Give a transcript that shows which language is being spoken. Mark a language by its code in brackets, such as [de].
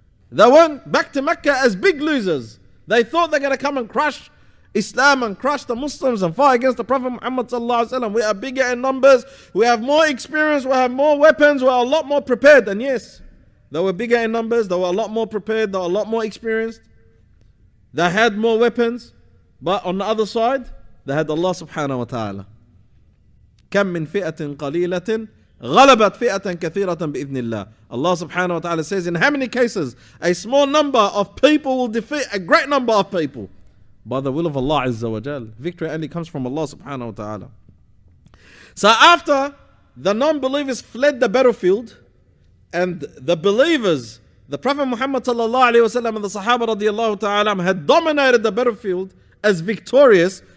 [en] They went back to Mecca as big losers. They thought they're going to come and crush Islam and crush the Muslims and fight against the Prophet Muhammad sallallahu alaihi wasallam. We are bigger in numbers. We have more experience. We have more weapons. We are a lot more prepared. And yes, they were bigger in numbers. They were a lot more prepared. They were a lot more experienced. They had more weapons. But on the other side, they had Allah subhanahu wa ta'ala. [ar] كم من فئة قليلة غلبت فئة كثيرة بإذن الله. [en] Allah subhanahu wa ta'ala says, in how many cases a small number of people will defeat a great number of people by the will of Allah Azza wa Jal. Victory only comes from Allah subhanahu wa ta'ala. So after The non-believers fled the battlefield, and the believers, the Prophet Muhammad sallallahu alaihi wasallam and the Sahaba radiallahu ta'ala had dominated the battlefield as victorious.